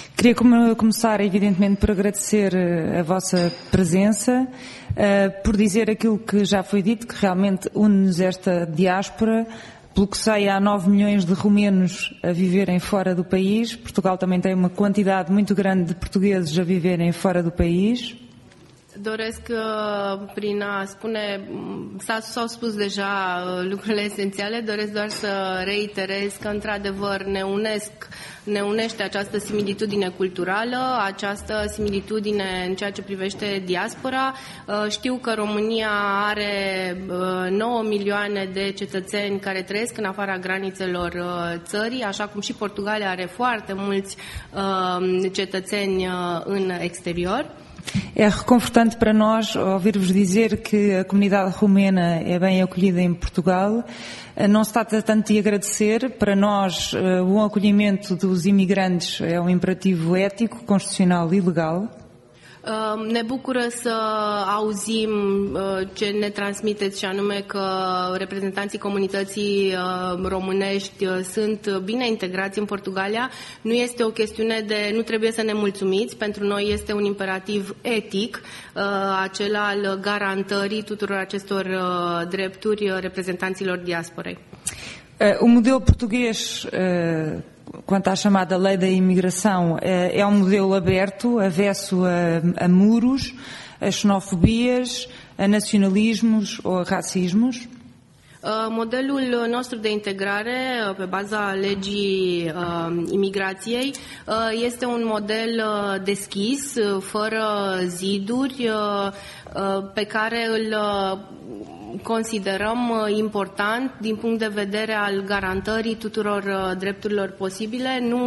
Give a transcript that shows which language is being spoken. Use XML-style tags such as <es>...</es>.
<pt>Queria começar, evidentemente, por agradecer a vossa presença, por dizer aquilo que já foi dito, que realmente une-nos esta diáspora. Pelo que sei, há 9 milhões de romenos a viverem fora do país. Portugal também tem uma quantidade muito grande de portugueses a viverem fora do país.</pt> <ro>Doresc prin a spune, s-au spus deja lucrurile esențiale, doresc doar să reiterez că într-adevăr ne unește această similitudine culturală, această similitudine în ceea ce privește diaspora. Știu că România are 9 milioane de cetățeni care trăiesc în afara granițelor țării, așa cum și Portugalia are foarte mulți cetățeni în exterior.</ro> <pt>É reconfortante para nós ouvir-vos dizer que a comunidade romena é bem acolhida em Portugal. Não se trata tanto de agradecer. Para nós, o bom acolhimento dos imigrantes é um imperativo ético, constitucional e legal.</pt> <ro>Ne bucură să auzim ce ne transmiteți, și anume că reprezentanții comunității românești sunt bine integrați în Portugalia. Nu este o chestiune de, nu trebuie să ne mulțumiți, pentru noi este un imperativ etic, acela al garantării tuturor acestor drepturi reprezentanților diasporei. Un model portughez</ro> <pt>quanto à chamada lei da imigração, é um modelo aberto, avesso a muros, a xenofobias, a nacionalismos ou a racismos?</pt> <ro>Modelul nostru de integrare pe baza legii imigrației este un model deschis, fără ziduri, pe care îl considerăm important din punct de vedere al garantării tuturor drepturilor posibile.</ro>